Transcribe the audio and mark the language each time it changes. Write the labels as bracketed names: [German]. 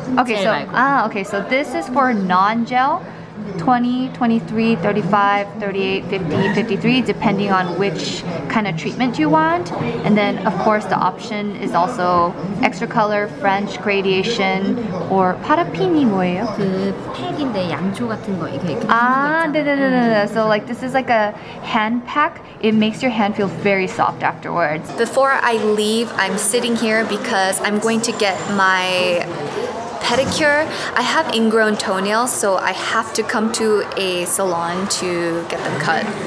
[English] Okay, so, okay, so this is for non-gel, $20, $23, $35, $38, $50, $53, depending on which kind of treatment you want. And then, of course, the option is also extra color, French, gradation, or [Korean] 파라핀이 뭐예요? 그 팩인데 양초 같은 거 이렇게. 이렇게 아, 네. [English] So like this is like a hand pack. It makes your hand feel very soft afterwards. Before I leave, I'm sitting here because I'm going to get my pedicure. I have ingrown toenails, so I have to come to a salon to get them cut.